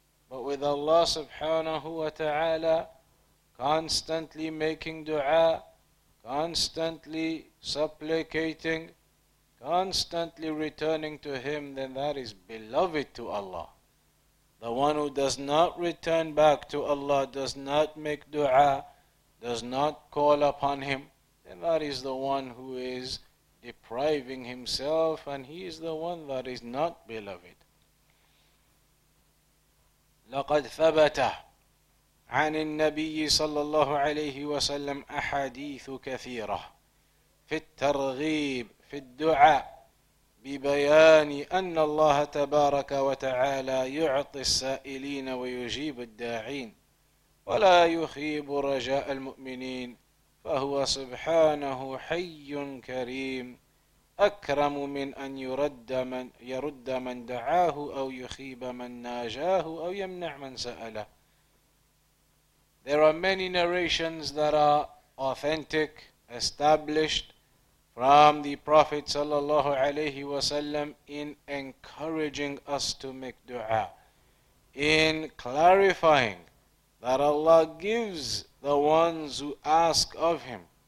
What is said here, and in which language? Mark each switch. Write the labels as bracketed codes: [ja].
[en] But with Allah subhanahu wa ta'ala constantly making dua, constantly supplicating, constantly returning to Him, then that is beloved to Allah. The one who does not return back to Allah, does not make dua, does not call upon Him, then that is the one who is depriving himself, and he is the one that is not beloved. [ar] لقد ثبت عن النبي صلى الله عليه وسلم أحاديث كثيرة في الترغيب في الدعاء ب ببيان أن الله تبارك وتعالى يعطي السائلين ويجيب الداعين ولا يخيب رجاء المؤمنين، فهو سبحانه حي كريم أكرم من أن يرد من دعاه أو يخيب من ناجاه أو يمنع من سأله. [en] There are many narrations that are authentic, established from the Prophet sallallahu alayhi wasallam in encouraging us to make dua, in clarifying that Allah gives the ones who ask of Him.